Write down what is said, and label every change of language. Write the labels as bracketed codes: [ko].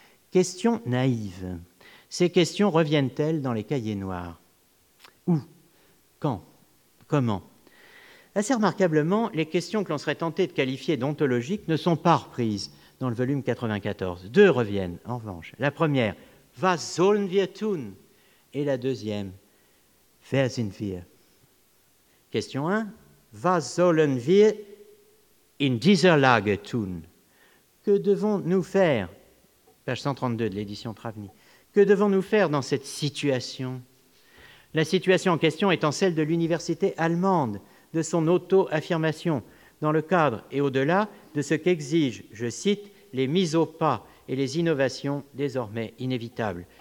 [fr] Questions naïves. Ces questions reviennent-elles dans les cahiers noirs? Où? Quand? Comment? Assez remarquablement, les questions que l'on serait tenté de qualifier d'ontologiques ne sont pas reprises dans le volume 94. Deux reviennent, en revanche. La première, « [de] Was sollen wir tun ?» [fr] Et la deuxième, « [de] Wer sind wir ?» [fr] Question 1, « [de] Was sollen wir in dieser Lage tun ?» [fr] Que devons-nous faire? Page 132 de l'édition Travni. Que devons-nous faire dans cette situation? La situation en question étant celle de l'université allemande, de son auto-affirmation, dans le cadre et au-delà de ce qu'exigent, je cite, « les mises au pas » et les innovations désormais inévitables.